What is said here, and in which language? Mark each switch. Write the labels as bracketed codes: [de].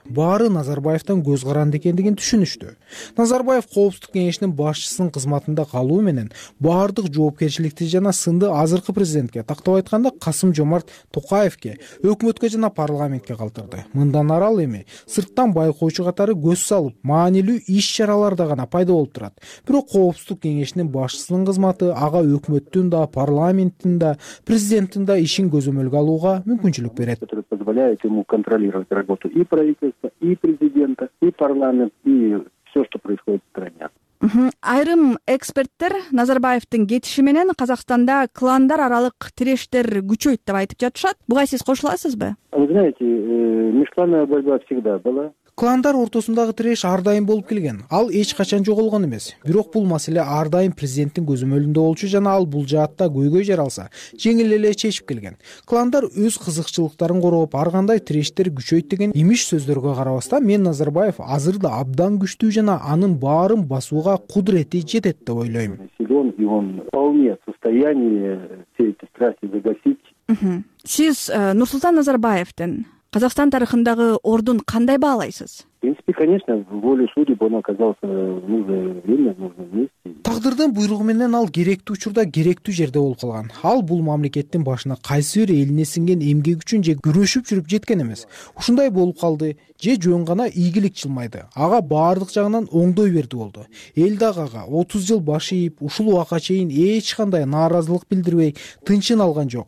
[ky] Баары Назарбаевдан көз каранды экендигин түшүнүштү. Назарбаев Коопсуздук кеңешинин башчысынын кызматында калуу менен баардык жоопкерчиликти жана сынды азыркы президентке, тактап айтканда Касым Жомарт Токаевке, өкмөткө жана парламентке калтырды. Мындан ары ал эми сырттан байкоочу катары көз салып, маанилүү иш чараларда гана пайда болуп турат. Бирок Коопсуздук кеңешинин башчысынын кызматы ага өкмөттүн да, парламенттин да, президенттин да ишин көзөмөлгө алууга мүмкүнчүлүк берет. [ru] Который позволяет ему контролировать работу и правительства, и президента, и парламент, и все, что происходит в стране. [ky] Айрым эксперттер Назарбаевдин кетиши менен Казакстанда кландар аралык тирештер күчөйт деп айтып жатышат. Буга сиз кошуласызбы? [ru] Вы знаете, межкланная борьба всегда была. [ky] Кландар ортосундагы тиреш ар дайым болуп келген. Ал эч качан жоголгон эмес. Бирок бул маселе ар дайым президенттин көзөмөлүндө болчу жана ал бул жаатта көйгөй жаралса, жеңил эле чечип келген. Кландар өз кызыкчылыктарын коргоп, ар кандай тирештер күчөйт деген имиш сөздөргө карабастан, мен Назарбаев азыр да абдан күчтүү жана анын баарын басууга кудурети жетет деп ойлойм. [ru] Силен, и он вполне в состоянии все эти страсти загасить. [ky] Сиз Нурсултан Назарбаевдин Казакстан тарыхындагы ордун кандай баалайсыз? [ru] принципе, конечно, в воле судеб он оказался в нужное время, в нужном месте. [ky] Тагдырдын буйругу менен ал керектүү учурда керектүү жерде болуп калган. Ал бул мамлекеттин башына кайсы бир элине сиңген эмгек үчүн же күрөшүп жүрүп жеткен эмес. Ушундай болуп калды же жөн гана ийгилик жылмайды. Ага баардык жагынан оңдой берди болду. Эл дагага 30 жыл баш ийип, ушул убакка чейин эч кандай нааразылык билдирбей, тынчын алган жок.